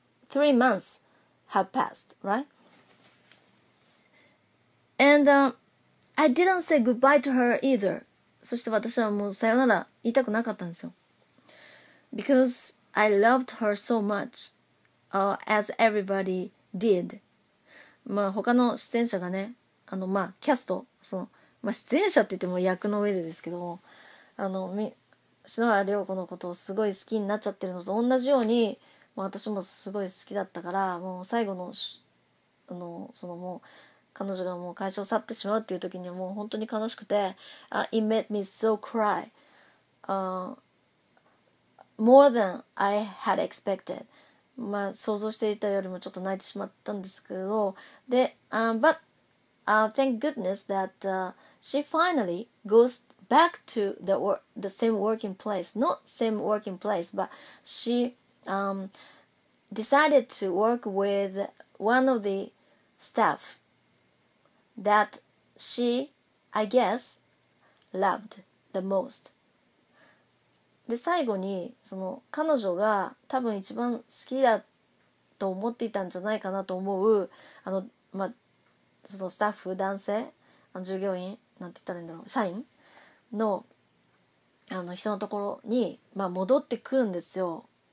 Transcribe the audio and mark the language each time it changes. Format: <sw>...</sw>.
<en>Three months have passed, right? And I didn't say goodbye to her either.</en> <ja>そして私はもうさよなら言いたくなかったんですよ。</ja> <en>Because I loved her so much, as everybody did.</en> <ja>まあ他の出演者がね、まあキャスト、その、まあ出演者って言っても役の上でですけども、篠原涼子のことをすごい好きになっちゃってるのと同じように、もう私もすごい好きだったから、もう最後の、そのもう、彼女がもう会社を去ってしまうっていう時にはもう本当に悲しくて、</ja> <en>It made me so cry, more than I had expected.</en> <ja>まあ、想像していたよりもちょっと泣いてしまったんですけど、で、</ja> <en>But thank goodness that she finally goes back to the same working place. Not same working place, but she decided to work with one of the staff that she, I guess, loved the most.</en> <ja>で最後にその彼女が多分一番好きだと思っていたんじゃないかなと思うまあ、そのスタッフ男性従業員なんて言ったらいいんだろう社員の人のところに、まあ、戻ってくるんですよ。</ja>